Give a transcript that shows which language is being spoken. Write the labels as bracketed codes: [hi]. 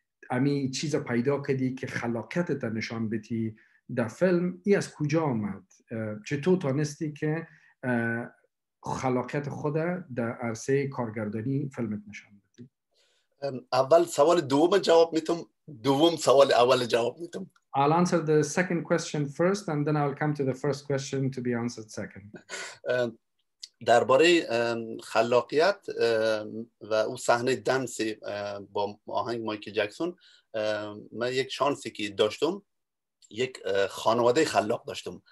[fa] امی چیزا پیدا کردی که خلاقیتت نشان بدی در فیلم، ای از کجا آمد؟ چطور تانستی که خلاقیت خود در عرصه کارگردانی فیلمت نشان بدی؟ اول سوال دوم جواب میتم، دوم سوال اول جواب میتم. [en] I'll answer the second question first and then I'll come to the first question to be answered second. [fa] درباره خلاقیت و او صحنه دنس با آهنگ مایکل جکسون، من یک شانسی که داشتم، یک خانواده خلاق داشتم.